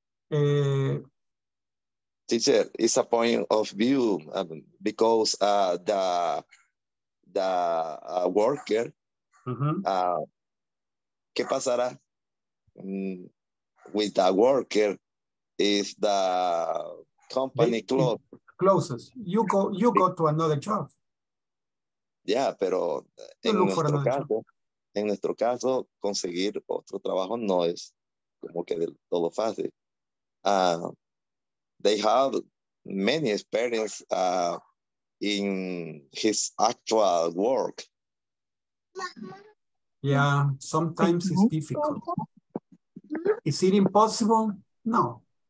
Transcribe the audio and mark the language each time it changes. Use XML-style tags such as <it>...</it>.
<en>teacher, it's a point of view because the worker,</en> <es>¿qué pasará</es> <en>with the worker if the company closed? closes. You go to another job.</en> <es>Yeah, pero en nuestro caso, conseguir otro trabajo no es como que del todo fácil.</es> <en>They have many experience in his actual work. Yeah, sometimes it's difficult. Is it impossible? No.</en>